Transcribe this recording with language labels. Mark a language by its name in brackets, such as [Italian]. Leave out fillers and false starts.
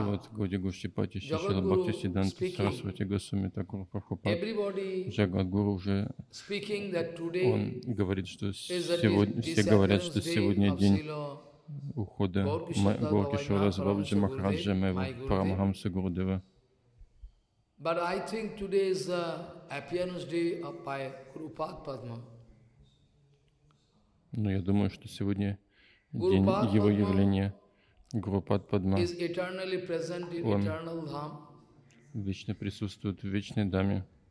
[Russian] И вот Годи Гоштхипати Сисила Бхакти Сиддханта Сарасвати Госвами Тхакур Прабхупада. Джагадгуру уже он говорит, что сегодня, все говорят, что сегодня день ухода Гауркишвара с Бабаджи Махараджа, моего Парамахамса Гурудева. [English] But I think today is the appearance day of my Gurupad Padma. [Russian] Но я думаю, что сегодня день его явления, Гурупад Падма, он вечно присутствует в вечной даме.